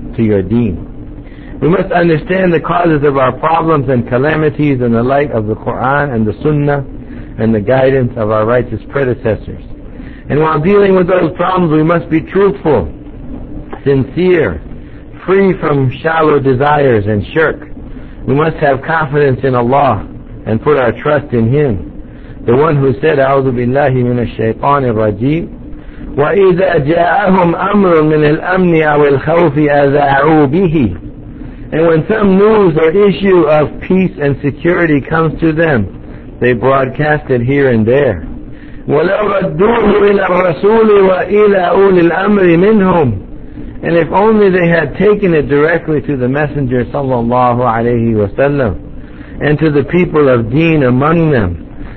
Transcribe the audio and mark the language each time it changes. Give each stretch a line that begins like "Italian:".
English: to your deen. We must understand the causes of our problems and calamities in the light of the Quran and the Sunnah and the guidance of our righteous predecessors. And while dealing with those problems, we must be truthful, sincere, free from shallow desires and shirk. We must have confidence in Allah and put our trust in Him. The one who said,
Arabic: أعوذ بالله من الشيطان الرجيم وإذا جاءهم أمر من الأمن أو الخوف أذاعوا به.
English: And when some news or issue of peace and security comes to them, they broadcast it here and there.
Arabic: وَلَوْ رَدُّوهُ إِلَى الرَّسُولِ وَإِلَى أُولِي الْأَمْرِ مِنْهُمْ.
English: And if only they had taken it directly to the Messenger sallallahu alayhi wa sallam and to the people of deen among them.